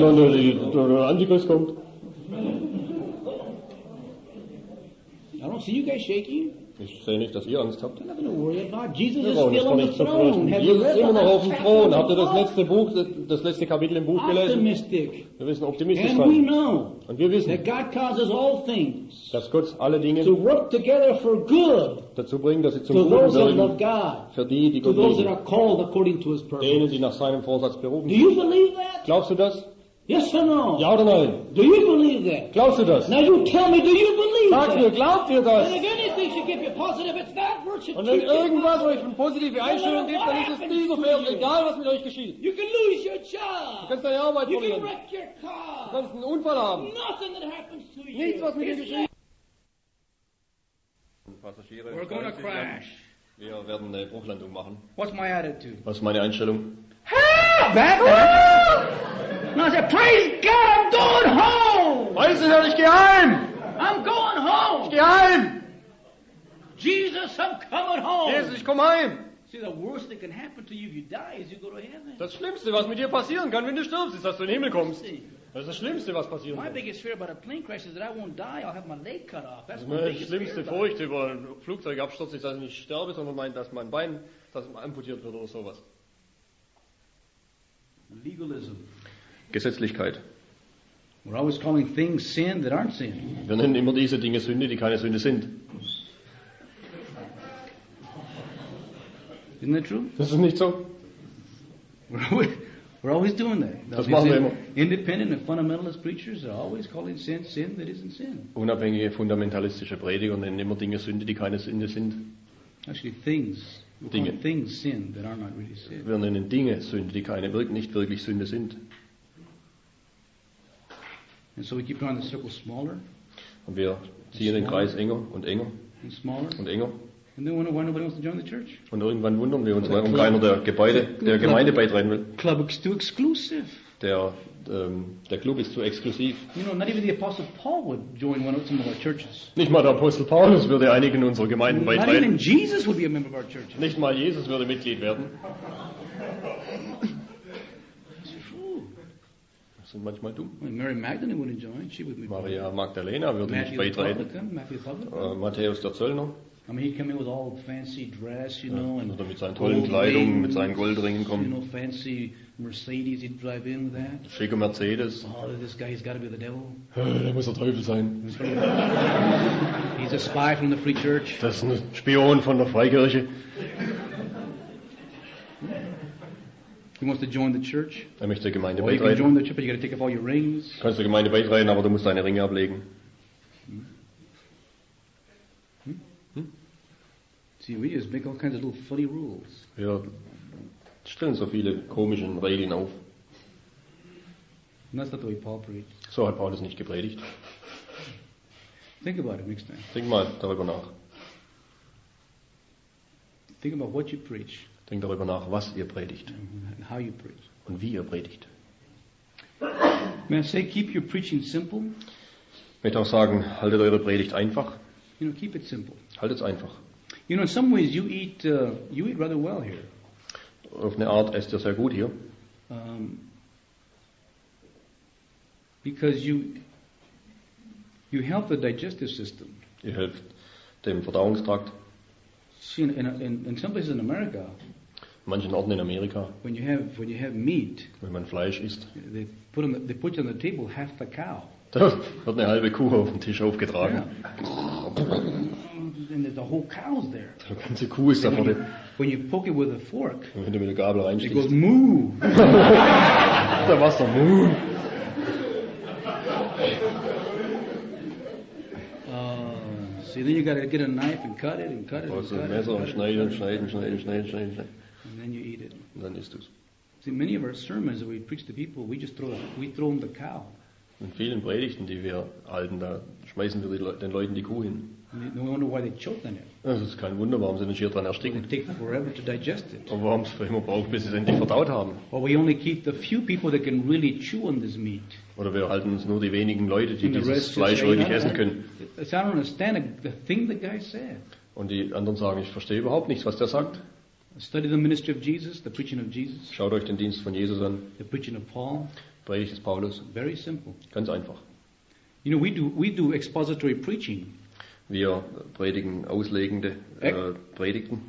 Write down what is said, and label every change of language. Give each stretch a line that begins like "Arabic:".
German: Die Deutschen und die Franzosen und der Antichrist kommt.
English: See you guys shaking?
German: Ich sehe nicht, dass ihr Angst habt. Jesus ist immer noch auf dem Thron. Habt ihr das letzte Buch, das letzte Kapitel im Buch gelesen?
English: Optimistic.
German: Wir wissen optimistisch sein.
English: And we know.
German: Und wir wissen,
English: that God causes all things,
German: dass Gott alle Dinge
English: to work together for good,
German: dazu bringt, dass sie zum Guten werden. Für die, die Gott lieben.
English: To those that are called according to His purpose.
German: Denen, die nach seinem Vorsatz berufen sind.
English: Do you believe that?
German: Glaubst du das?
English: Yes or no?
German: Ja oder nein?
English: Do you believe that?
German: Glaubst du das?
English: Now you tell me, do you believe that?
German: Sag mir, glaubt ihr das?
English: And if anything should give you positive, it's that virtue.
German: Und wenn irgendwas euch eine positive Einstellung gibt, dann ist es diese Welt, egal was mit euch geschieht.
English: You can lose your job.
German: Du kannst deine Arbeit
English: you
German: verlieren.
English: You can wreck your car.
German: Du kannst einen Unfall haben.
English: Nothing that happens to you.
German: Nichts, was mit dir geschieht.
English: We're going to crash.
German: Wir werden eine Bruchlandung machen.
English: What's my attitude?
German: Was ist meine Einstellung?
English: And I said, praise God, I'm going home.
German: Weißt du, Herr, ich gehe heim.
English: I'm going home.
German: Ich gehe heim.
English: Jesus, I'm coming home.
German: Jesus, ich komme heim.
English: See, the worst that can happen to you if you die is you go to heaven.
German: Das Schlimmste, was mit dir passieren kann, wenn du stirbst, ist, dass du in den Himmel kommst. Das ist das Schlimmste, was passieren
English: my
German: kann.
English: My biggest fear about a plane crash is that I won't die, I'll have my leg cut off. That's
German: meine schlimmste Furcht über einen Flugzeugabsturz ist, dass ich nicht sterbe, sondern mein, dass mein Bein dass amputiert wird oder sowas.
English: Legalism.
German: Gesetzlichkeit.
English: We're always calling things sin that aren't sin.
German: Wir nennen immer diese Dinge Sünde, die keine Sünde sind.
English: Isn't that true?
German: Das ist nicht so.
English: We're always doing that.
German: Das machen wir immer.
English: Independent and fundamentalist preachers are always calling sin sin that isn't sin.
German: Unabhängige fundamentalistische Prediger nennen immer Dinge Sünde, die keine Sünde sind.
English: Actually, things.
German: Dinge.
English: Things sin that are not really sin.
German: Wir nennen Dinge Sünde, die keine nicht wirklich Sünde sind.
English: And so we keep drawing the circle smaller.
German: Und wir ziehen den Kreis enger und enger.
English: And smaller.
German: Und enger.
English: And then wonder why nobody wants to join the church.
German: Und irgendwann wundern wir uns, warum keiner der Gemeinde beitreten will.
English: Club is too exclusive.
German: Der Club ist zu exklusiv.
English: You know, not even the Apostle Paul would join one of some of our churches.
German: Nicht mal der Apostel Paulus würde einigen unserer Gemeinden beitreten.
English: Not even Jesus would be a member of our churches.
German: Nicht mal Jesus würde Mitglied werden. Sind manchmal dumm.
English: Mary Magdalene wouldn't join. She would be
German: Maria Magdalena würde nicht beitreten. Matthäus der Zöllner.
English: I mean, he came in with all fancy dress, you know, and
German: mit seinen tollen Kleidungen, mit seinen Goldringen kommen.
English: You know, fancy Mercedes, he'd drive in with that.
German: Schicke Mercedes.
English: Oh, this guy, he's got to be the devil.
German: Der muss der Teufel sein.
English: He's a spy from the free church.
German: Das ist ein Spion von der Freikirche.
English: He wants to join the church.
German: Er möchte der Gemeinde beitreten.
English: Well, you can join the church, but you got to take off all your rings.
German: Du kannst der Gemeinde beitreten, aber du musst deine Ringe ablegen.
English: See, we just make all kinds of little funny rules.
German: Wir stellen so viele komische Regeln auf.
English: And that's not the way Paul preached.
German: So hat Paulus nicht gepredigt.
English: Think about it next time.
German: Denk mal darüber nach.
English: Think about what you preach.
German: Denk darüber nach, was ihr predigt.
English: And how you preach.
German: Und wie ihr predigt.
English: May I say, keep your preaching simple.
German: Ich möchte auch sagen, haltet eure Predigt einfach.
English: You know, keep it simple.
German: Haltet es einfach.
English: You know, in some ways you eat rather well here.
German: Auf eine Art esst ihr sehr gut hier.
English: Because you help the digestive system.
German: Ihr helft dem Verdauungstrakt.
English: See, in some places in America.
German: Manchen Orten in Amerika.
English: When you have meat.
German: Wenn man Fleisch isst.
English: They put on the table half the cow.
German: Da wird eine halbe Kuh auf den Tisch aufgetragen.
English: Yeah. And the whole cow is there.
German: Die ganze Kuh ist da vorne.
English: When you poke it with a fork.
German: Und wenn du mit der Gabel reinstichst.
English: It goes moo.
German: Da war's doch moo.
English: See, then you gotta get a knife and cut it and cut it.
German: Also Messer und schneiden und schneiden, schneiden, schneiden, schneiden, schneiden.
English: And then you eat it.
German: Und dann isst du's.
English: See, many of our sermons that we preach to people, we throw them the cow.
German: In vielen Predigten, die wir halten, da schmeißen wir den Leuten die Kuh hin.
English: No wonder why they choke on it.
German: Das ist kein Wunder, warum sie den Schier dran ersticken.
English: It takes forever to digest it.
German: Und warum es immer braucht, bis sie es endlich verdaut haben.
English: Or we only keep the few people that can really chew on this meat.
German: Oder wir halten uns nur die wenigen Leute, die dieses Fleisch wirklich essen können.
English: I don't understand the thing the guy said.
German: Und die anderen sagen, ich verstehe überhaupt nichts, was der sagt.
English: Study the ministry of Jesus, the preaching of Jesus.
German: Schaut euch den Dienst von Jesus an.
English: The preaching of Paul.
German: Predigt des Paulus.
English: Very simple.
German: Ganz einfach.
English: You know, we do expository preaching.
German: Wir predigen auslegende Predigten.